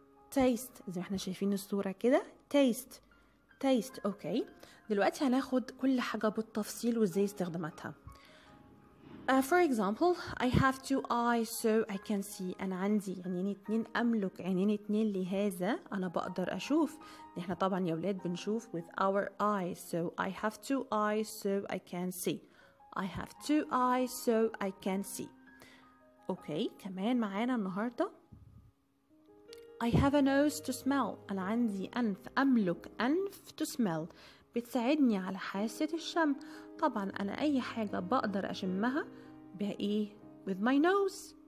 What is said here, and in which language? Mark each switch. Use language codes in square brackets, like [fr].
[ar] taste زي ما احنا شايفين الصورة كده taste اوكي. دلوقتي هناخد كل حاجة بالتفصيل وازاي استخدمتها. [en] For example, I have two eyes so I can see. [ar] أنا عندي عينين اتنين, أملك عينين اتنين لهذا أنا بقدر أشوف. [en] نحن طبعا يا أولاد بنشوف with our eyes, so I have two eyes so I can see. I have two eyes so I can see. Okay, كمان معانا النهاردة I have a nose to smell. [ar] أنا عندي أنف, أملك أنف to smell, بتساعدني على حاسة الشم. طبعا أنا أي حاجة بقدر أشمها بإيه؟ with my nose.